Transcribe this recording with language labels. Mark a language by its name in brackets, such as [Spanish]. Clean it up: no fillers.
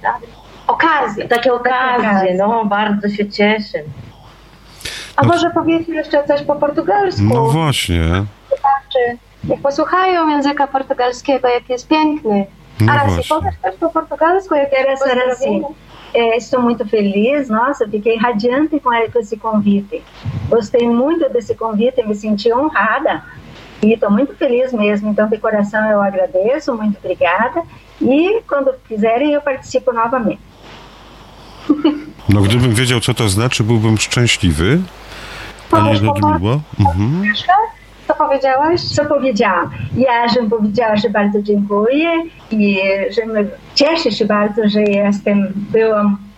[Polish] da. Okazje. Takie okazje, no, bardzo się cieszę. A no, może powiedzmy jeszcze coś po portugalsku? No właśnie. Jak posłuchają języka portugalskiego, jak jest piękny. No Arasi, powiesz też po portugalsku, jak teraz Arasi. [Portuguese] Estou muito feliz, nossa, fiquei radiante com esse convite. Gostei muito desse convite, me senti honrada. E estou muito feliz mesmo, então de coração eu agradeço, muito obrigada. E quando quiserem eu participo novamente. [Polish] No, gdybym wiedział, co to znaczy, byłbym szczęśliwy. Pani Ludmiła? Co powiedziałaś? Co powiedziałam? Ja, żebym powiedziała, że bardzo dziękuję i że cieszę się bardzo, że jestem, byłam